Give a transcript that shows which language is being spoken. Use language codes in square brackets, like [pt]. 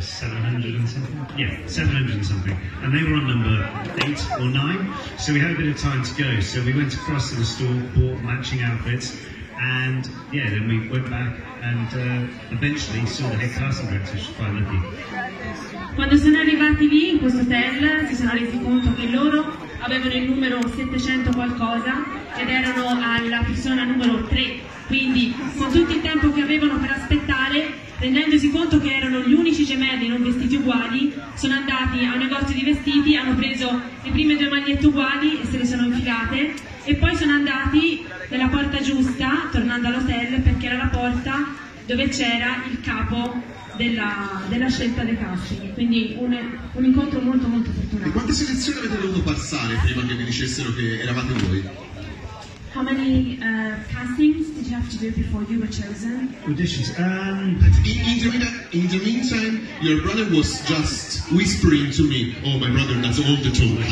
[en] 700 and something? Yeah, 700 and something. And they were on number 8 or 9. So we had a bit of time to go. So we went across to the store, bought matching outfits, and yeah, then we went back and eventually saw the head casting director, which was quite lucky. [it] Quando sono arrivati lì, in questo hotel, si sono resi conto che loro avevano il numero 700 qualcosa ed erano alla persona numero 3, quindi con tutto il tempo che avevano per aspettare, rendendosi conto che erano gli unici gemelli non vestiti uguali, sono andati a un negozio di vestiti, hanno preso le prime due magliette uguali e se le sono infilate e poi sono andati nella porta giusta, tornando all'hotel, perché era la porta dove c'era il capo della scelta dei casting, quindi un incontro molto molto fortunato. E quante selezioni avete dovuto passare prima che vi dicessero che eravate voi? [en] How many castings did you have to do before you were chosen? Auditions. In the meantime, your brother was just whispering to me, oh my brother, that's all the talk.